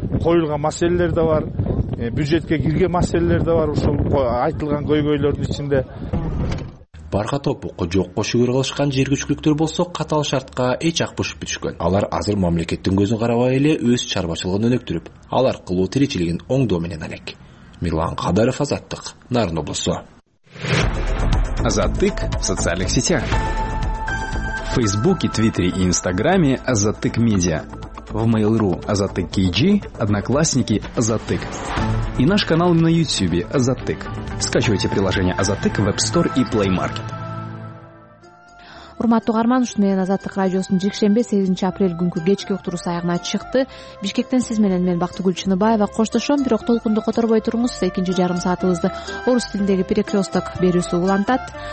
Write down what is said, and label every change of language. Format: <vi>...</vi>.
<ky>Коюлган маселелер да бар, бюджетке кирген маселелер да бар ушул айтылган көйгөйлөрдүн ичинде. Барга топукко жокко шүгүр кылышкан жер көчкүлүктөр болсо катаал шартка эч ак бушуп бүтүшкөн. Алар азыр мамлекеттин көзүн карабай эле өз чарбачылыгын өнөктүрүп, ал аркылуу тиричилигин оңдоо менен алек. Милан Кадаров, Азаттык, Нарын облусу.</ky> <ru>Азаттык в социалдык сетях. В Фейсбуке, Твиттере и Инстаграме Азаттык Медиа. В Mail.ru Азаттык KG, Одноклассники Азаттык. И наш канал на Ютьюбе Азаттык. Скачивайте приложение Азаттык в App Store и Play Market.</ru> <ky>Урматтуу каарман, ушуну менен Азаттык радиосунун жекшембе 8-апрель күнкү кечки уктуруусу аягына чыкты. Бишкектен сиз менен мен Бактыгүл Чыныбаева коштошом, бирок толкунду которбой туруңуз. Экинчи жарым саатыбызды орус тилиндеги перекресток берүүсү улантат.</ky>